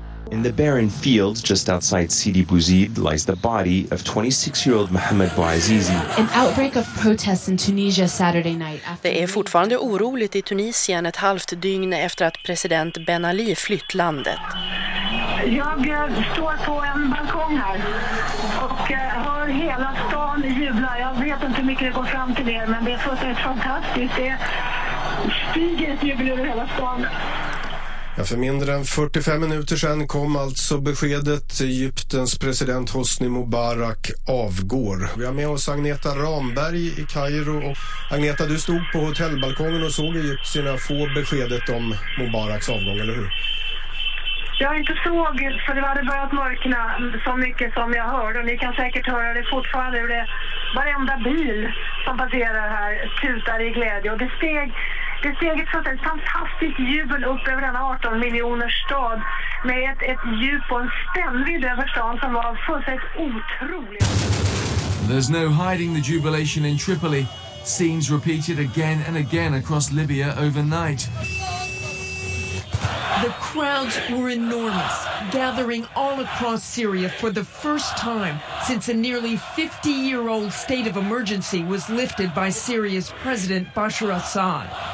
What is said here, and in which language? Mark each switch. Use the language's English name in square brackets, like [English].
[English] In the barren fields just outside Sidi Bouzid lies the body of 26-year-old Mohamed Bouazizi. An outbreak of protests in Tunisia Saturday night. [Swedish] Det är fortfarande oroligt i Tunisien ett halvt dygn efter att president Ben Ali flytt landet. Jag står på en balkong här och hör hela stan jubla. Jag vet inte hur mycket det går fram till er, men det är fullständigt fantastiskt. Det stiger ett jubel över hela stan. Ja, för mindre än 45 minuter sedan kom alltså beskedet. Egyptens president Hosni Mubarak avgår. Vi har med oss Agneta Ramberg i Kairo. Agneta, du stod på hotellbalkongen och såg egyptierna få beskedet om Mubaraks avgång, eller hur? Jag inte såg, för det hade börjat mörkna så mycket som jag hörde. Ni kan säkert höra det fortfarande. Det varenda bil som passerar här tutar i glädje. Och det steg ett sånt fantastiskt jubel upp över denna 18 miljoners stad. Med ett djup och en spännvidd över stan som var fullständigt otroligt. [English] There's no hiding the jubilation in Tripoli. Scenes repeated again and again across Libya overnight. The crowds were enormous, gathering all across Syria for the first time since a nearly 50-year-old state of emergency was lifted by Syria's president Bashar Assad.